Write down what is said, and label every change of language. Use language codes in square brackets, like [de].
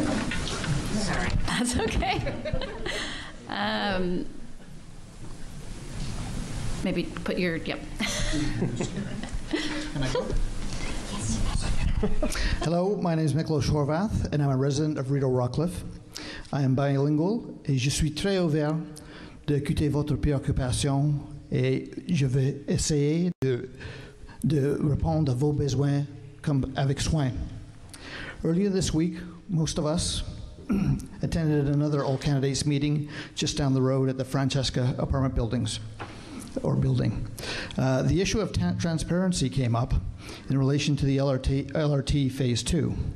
[en] Sorry. That's okay. Maybe put your, yep. Can I go? Hello, my name is Miklos Horvath, and I'm a resident of Rideau-Rockcliffe. I am bilingual, [fr] et je suis très ouvert d'écouter votre préoccupation, et je vais essayer de répondre à vos besoins comme avec soin. [en] Earlier this week, most of us attended another All Candidates meeting just down the road at the Francesca apartment buildings. The issue of transparency came up in relation to the LRT phase two.